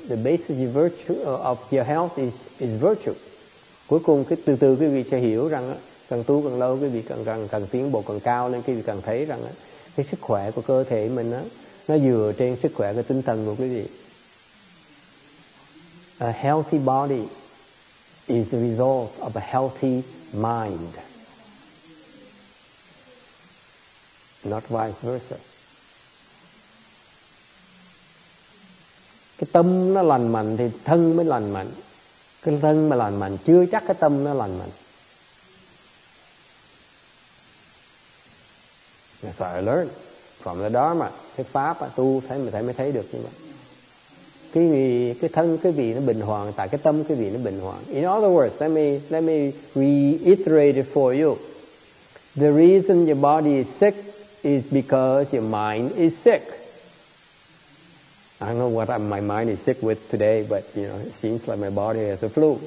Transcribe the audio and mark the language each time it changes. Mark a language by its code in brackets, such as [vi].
[en] The basis of virtue of your health is virtue. [vi] Cuối cùng cái từ từ quý vị sẽ hiểu rằng càng tu càng lâu quý vị càng tiến bộ càng cao lên, quý vị càng thấy rằng cái sức khỏe của cơ thể mình á nó dựa trên sức khỏe của tinh thần của quý vị. [en] A healthy body is the result of a healthy mind, not vice versa. [vi] Cái tâm nó lành mạnh thì thân mới lành mạnh. Cái thân mà lành mạnh chưa chắc cái tâm nó lành mạnh. [en] That's what I learned from the Dharma. [vi] Cái pháp tu thấy mình mới thấy được như vậy. Cái thân cái vị nó bình hoàng tại cái tâm cái vị nó bình hoàng. [en] In other words, let me reiterate it for you. The reason your body is sick is because your mind is sick. I don't know what my mind is sick with today, but you know, it seems like my body has a flu.